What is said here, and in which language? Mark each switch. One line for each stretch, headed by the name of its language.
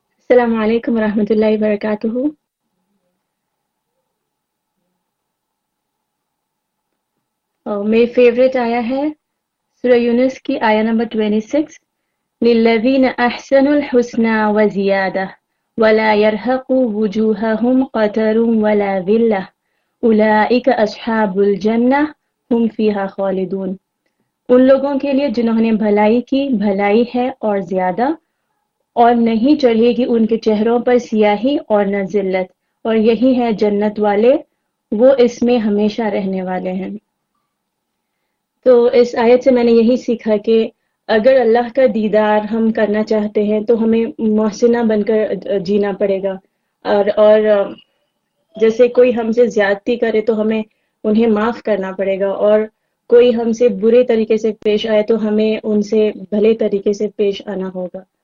Arabic: السلام عليكم ورحمة الله وبركاته.
Urdu: میرے فیوریٹ آیا ہے سورہ یونس کی آیا نمبر 26،
Arabic: للذین احسنوا الحسنى وزیادہ ولا يرهق وجوههم قتر ولا ذلة أولئك أصحاب الجنة هم فيها خالدون.
Urdu: ان لوگوں کے لیے جنہوں نے بھلائی کی بھلائی ہے اور زیادہ، اور نہیں چڑھے گی ان کے چہروں پر سیاہی اور نہ ذلت، اور یہی ہے جنت والے، وہ اس میں ہمیشہ رہنے والے ہیں. تو اس آیت سے میں نے یہی سیکھا کہ اگر اللہ کا دیدار ہم کرنا چاہتے ہیں تو ہمیں محسنہ بن کر جینا پڑے گا، اور جیسے کوئی ہم سے زیادتی کرے تو ہمیں انہیں معاف کرنا پڑے گا، اور کوئی ہم سے برے طریقے سے پیش آئے تو ہمیں ان سے بھلے طریقے سے پیش آنا ہوگا.